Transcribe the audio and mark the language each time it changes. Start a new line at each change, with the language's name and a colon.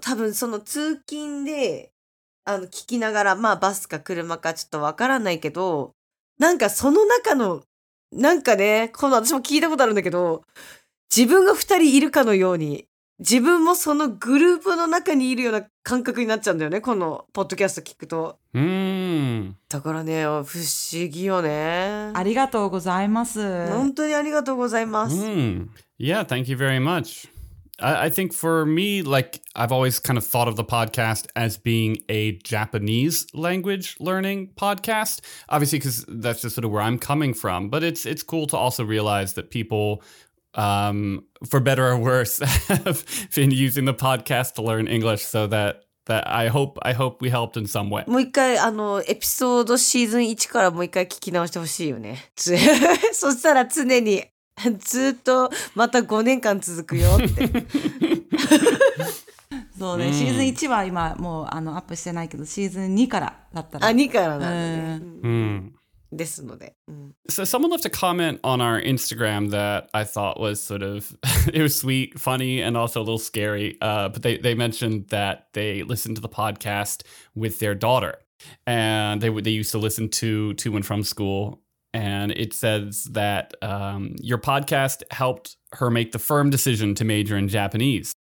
Japanese: 多分その通勤で聞きながら、まあバスか車かちょっとわからないけど、なんかその中のなんかね、この私も聞いたことあるんだけど、自分が二人いるかのように、自分もそのグループの中にいるような感覚になっちゃうんだよね、このポッドキャスト聞くと。だからね、不思議よね。ありがとうございます。本当にありがとうございます。
English: Yeah, thank you very much. I think for me, like, I've always kind of thought of the podcast as being a Japanese language learning podcast, obviously, because that's just sort of where I'm coming from. But it's cool to also realize that people, for better or worse, have been using the podcast to learn English, so that I hope we helped in some way.
Japanese: もう一回エピソードシーズン1からもう一回聞き直してほしいよね。そしたら常にずっとまた5年間続くよって。そうね、シーズン1は今もうアップしてないけど、シーズン2からだったら。あ、2からなんだね。ですので。
English: So someone left a comment on our Instagram that I thought was sort of, it was sweet, funny, and also a little scary. But they mentioned that they listened to the podcast with their daughter. And they used to listen to and from school. And it says that your podcast helped her make the firm decision to major in Japanese.